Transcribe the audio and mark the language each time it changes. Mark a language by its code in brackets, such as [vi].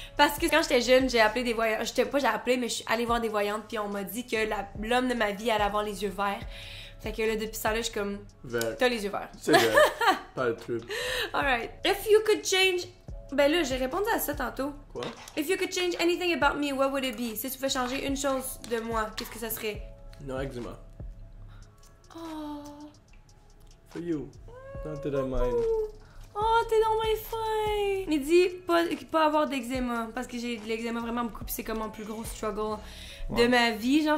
[fr] Parce que quand j'étais jeune, j'ai appelé des voyantes. Mais je suis allée voir des voyantes, puis on m'a dit que l'homme de ma vie allait avoir les yeux verts. Fait que là, depuis ça, là, je suis comme... Vert. T'as les yeux verts. C'est vrai. Pas le truc. [en] Alright. If you could change... [fr] Ben là, j'ai répondu à ça tantôt. Quoi? [en] If you could change anything about me, what would it be? [fr] Si tu pouvais changer une chose de moi, qu'est-ce que ça serait? [en] No eczema. Oh. For you. Not that I mind. [fr] Oh, t'es dans mes fins! Mais dis, pas avoir d'eczéma, parce que j'ai de l'eczéma vraiment beaucoup, puis c'est comme mon plus gros struggle de ma vie, genre.